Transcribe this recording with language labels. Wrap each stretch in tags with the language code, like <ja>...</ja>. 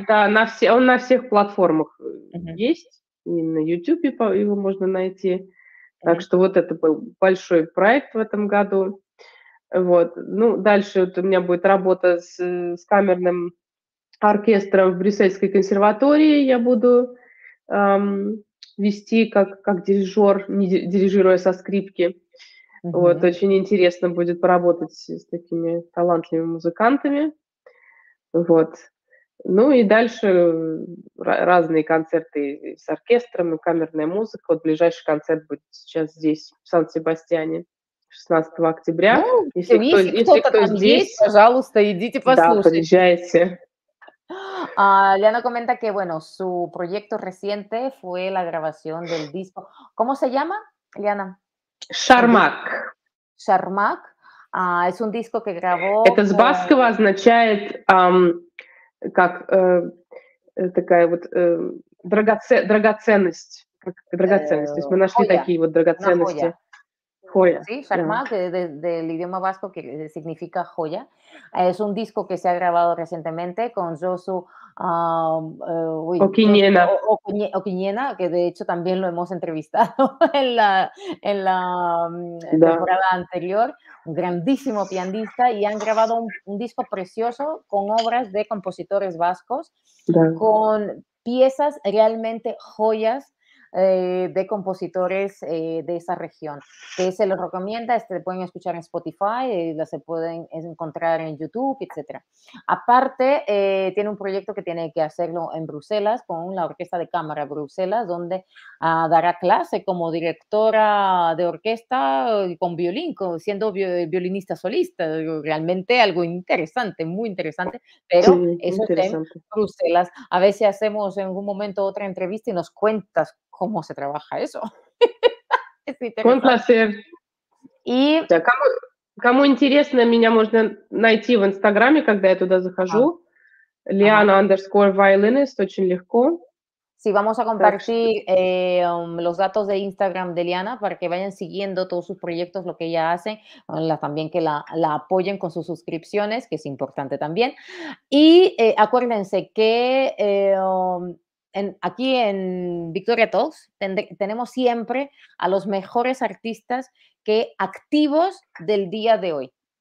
<ru>да, он на всех платформах есть, и на YouTube его можно найти, так что вот это был большой проект в этом году, вот, ну, дальше вот у меня будет работа с камерным оркестром в Брюссельской консерватории, я буду вести как дирижер, не дирижируя со скрипки, вот, очень интересно будет поработать с такими талантливыми музыкантами, вот. Ну и дальше разные концерты с оркестром и камерная музыка. Вот ближайший концерт будет сейчас здесь, в Сан-Себастьяне, 16 октября. Ну, если кто-то там здесь, пожалуйста, идите послушайте. Да, приезжайте.</ru> <es>Liana comenta que, bueno, su proyecto reciente fue la grabación del disco. ¿Cómo se llama, Liana?</es> <ru>Шармак.</ru> <es>Шармак. Es un disco que grabó...</es> <ru>Это с баскова означает, как такая вот драгоценность. То есть мы нашли такие вот драгоценности.</ru> <es>Sí, Шармак, del idioma vasco, que significa joya. Es un disco que se ha grabado recientemente con Josu Okiniena, que de hecho también lo hemos entrevistado en la temporada anterior. Un grandísimo pianista. Y han grabado un disco precioso con obras de compositores vascos, con piezas realmente joyas. De compositores de esa región. Que se los recomienda, se pueden escuchar en Spotify, se pueden encontrar en YouTube, etc. Aparte, tiene un proyecto que tiene que hacerlo en Bruselas, con la Orquesta de Cámara Bruselas, donde dará clase como directora de orquesta con violín, siendo violinista solista. Realmente algo interesante, muy interesante, pero sí, eso está en Bruselas. A ver si hacemos en algún momento otra entrevista y nos cuentas cómo se trabaja eso. Es interesante. Un placer. Y</es> <ru>да, кому интересно, меня можно найти в Инстаграме, когда я туда захожу. Liana_violinist, очень легко.</ru> <es>Sí, vamos a compartir los datos de Instagram de Liana para que vayan siguiendo todos sus proyectos, lo que ella hace, también que la apoyen con sus suscripciones, que es importante también. Y acuérdense que aquí en Victoria Talks tenemos siempre a los mejores artistas que activos del día de hoy.</es>